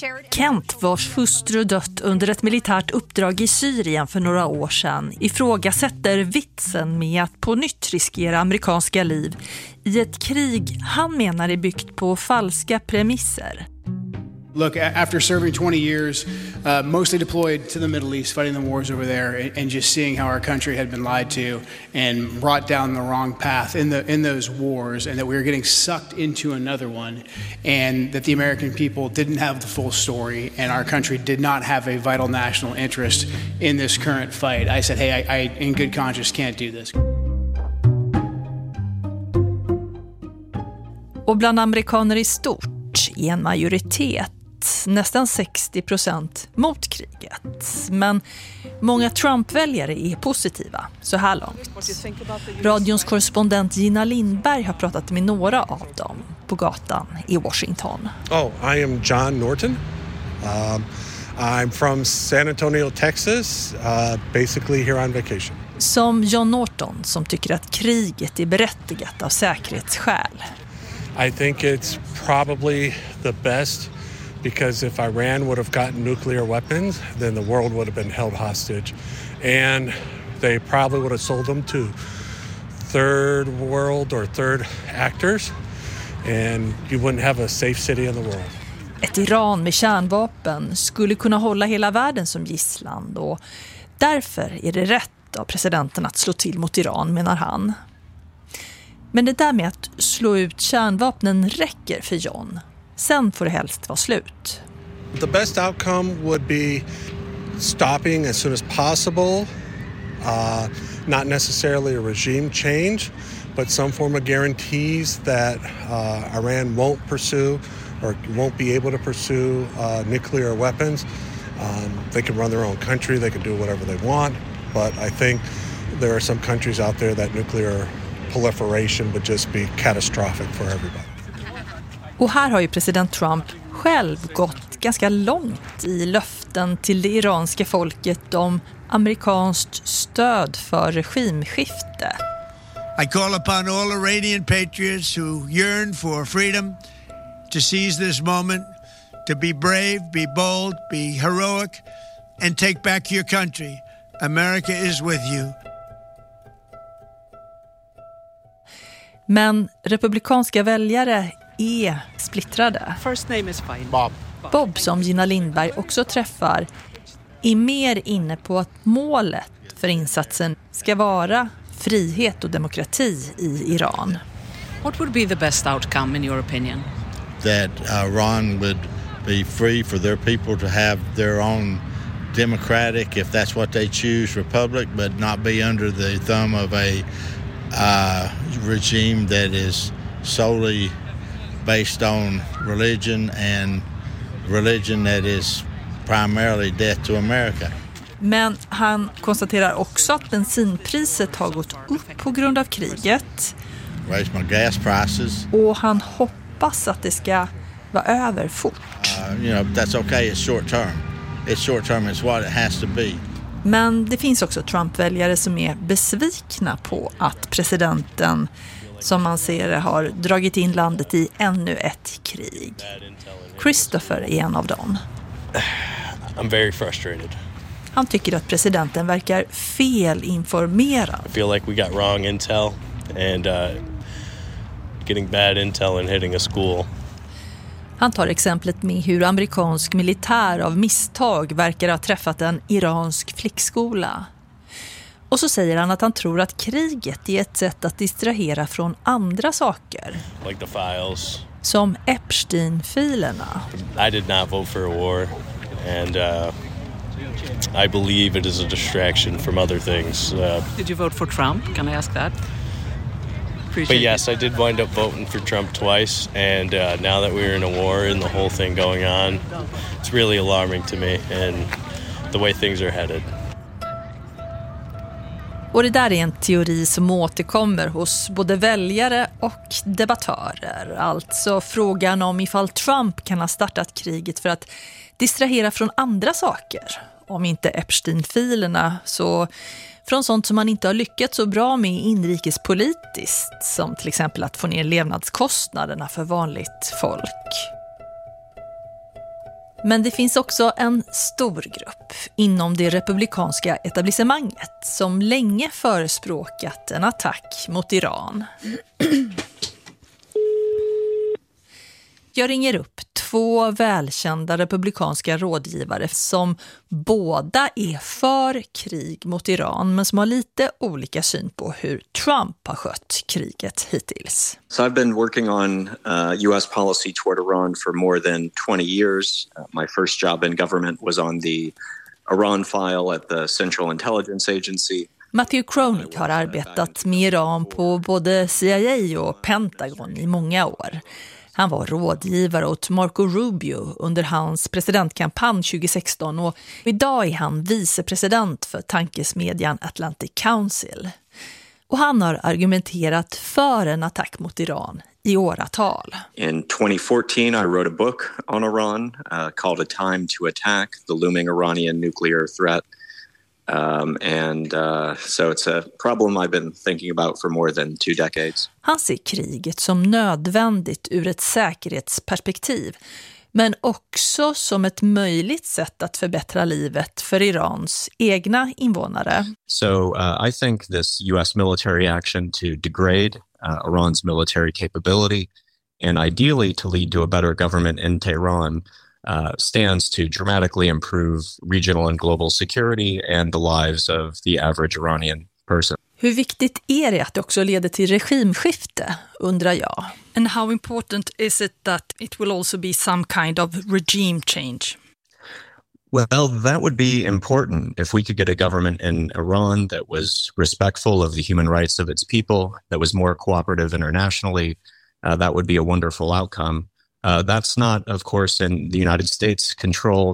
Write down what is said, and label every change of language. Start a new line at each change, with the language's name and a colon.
Swedish: Kent, vars hustru dött under ett militärt uppdrag i Syrien för några år sedan, ifrågasätter vitsen med att på nytt riskera amerikanska liv i ett krig han menar är byggt på falska premisser.
English: Look, after serving 20 years, mostly deployed to the Middle East, fighting the wars over there, and just seeing how our country had been lied to and brought down the wrong path in those wars, and that we were getting sucked into another one, and that the American people didn't have the full story, and our country did not have a vital national interest in this current fight. I said, hey, I in good conscience can't do this.
Swedish: Och bland amerikaner i stort, i en majoritet, nästan 60% mot kriget. Men många Trump-väljare är positiva så här långt. Radions korrespondent Gina Lindberg har pratat med några av dem på gatan i Washington.
English: Oh, I am John Norton. I'm from San Antonio, Texas, basically here on vacation.
Swedish: Som John Norton som tycker att kriget är berättigat av säkerhetsskäl.
English: I think it's probably the best. Because if Iran would have gotten nuclear weapons, then the world would have been held hostage. And they probably would have sold them to third world or third actors. And you wouldn't have a safe city in the world.
Swedish: Ett Iran med kärnvapen skulle kunna hålla hela världen som gisslan. Och därför är det rätt av presidenten att slå till mot Iran, menar han. Men det där med att slå ut kärnvapnen räcker för John. Sen får det helst vara slut.
English: The best outcome would be stopping as soon as possible. Not necessarily a regime change, but some form of guarantees that Iran won't pursue or won't be able to pursue nuclear weapons. They can run their own country, they can do whatever they want, but I think there are some countries out there that nuclear proliferation would just be catastrophic for everybody.
Swedish: Och här har ju president Trump själv gått ganska långt i löften till det iranska folket om amerikanskt stöd för regimskifte.
English: I call upon all Iranian patriots who yearn for freedom to seize this moment, to be brave, be bold, be heroic and take back your country. America is with you.
Swedish: Men republikanska väljare är splittrade.
English: First name is fine.
Swedish: Bob, som Gina Lindberg också träffar, är mer inne på att målet för insatsen ska vara frihet och demokrati i Iran.
English: What would be the best outcome in your opinion? That Iran would be free for their people to have their own democratic, if that's what they choose, republic, but not be under the thumb of a regime that is solely based on religion and religion that is primarily death to America.
Swedish: Men han konstaterar också att bensinpriset har gått upp på grund av kriget.
English: Raise my gas prices.
Swedish: Och han hoppas att det ska vara över fort.
English: You know, that's okay, it's short term. It's short term, it's what it has to be.
Swedish: Men det finns också Trump-väljare som är besvikna på att presidenten, som man ser, har dragit in landet i ännu ett krig. Christopher är en av dem.
English: I'm very frustrated.
Swedish: Han tycker att presidenten verkar felinformerad.
English: I feel like we got wrong intel and getting bad intel and hitting a school.
Swedish: Han tar exemplet med hur amerikansk militär av misstag verkar ha träffat en iransk flickskola. Och så säger han att han tror att kriget är ett sätt att distrahera från andra saker.
English: Like the files.
Swedish: Som Epstein-filerna.
English: I did not vote for a war and I believe it is a distraction from other things. Did you vote for Trump? Can I ask that? But yes, I did wind up voting for Trump twice and now that we're in a war and the whole thing going on, it's really alarming to me and the way things are headed.
Swedish: Och det där är en teori som återkommer hos både väljare och debattörer. Alltså frågan om ifall Trump kan ha startat kriget för att distrahera från andra saker. Om inte Epstein-filerna, så från sånt som man inte har lyckats så bra med inrikespolitiskt. Som till exempel att få ner levnadskostnaderna för vanligt folk. Men det finns också en stor grupp inom det republikanska etablissemanget som länge förespråkat en attack mot Iran. Jag ringer upp två välkända republikanska rådgivare som båda är för krig mot Iran men som har lite olika syn på hur Trump har skött kriget hittills.
English: So I've been working on US policy toward Iran for more than 20 years. My first job in government was on the Iran file at the Central Intelligence Agency.
Swedish: Matthew Kronick har arbetat med Iran på både CIA och Pentagon i många år. Han var rådgivare åt Marco Rubio under hans presidentkampanj 2016 och idag är han vicepresident för tankesmedjan Atlantic Council. Och han har argumenterat för en attack mot Iran i åratal.
English: In 2014 I wrote a book on Iran called A Time to Attack, the looming Iranian nuclear threat. So it's a problem I've been thinking about for more than two decades.
Swedish: Han ser kriget som nödvändigt ur ett säkerhetsperspektiv, men också som ett möjligt sätt att förbättra livet för Irans egna invånare.
English: I think this US military action to degrade Iran's military capability and ideally to lead to a better government in Tehran stands to dramatically improve regional and global security and the lives of the average Iranian person.
Swedish: Hur viktigt är det att det också leder till regimskifte, undrar jag.
English: And how important is it that it will also be some kind of regime change? Well, that would be important if we could get a government in Iran that was respectful of the human rights of its people, that was more cooperative internationally. That would be a wonderful outcome. That's not, of course, in the United States' control.